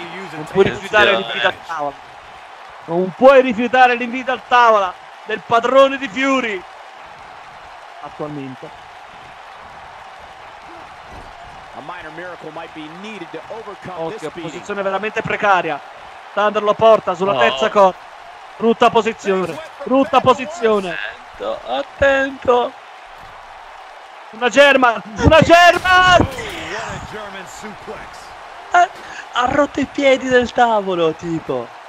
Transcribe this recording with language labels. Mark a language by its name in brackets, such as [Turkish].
[Italian] Non puoi rifiutare l'invito al tavolo. Non puoi rifiutare l'invito al tavolo del padrone di Fury. Attualmente. [English] A minor miracle might be needed to overcome this. [Italian] Okay, posizione veramente precaria. Thunder lo porta sulla terza corda. Brutta posizione. Brutta posizione. Attento, attento. Una German, una German! [English] What a German suplex. [Italian] Ha rotto i piedi del tavolo, tipo.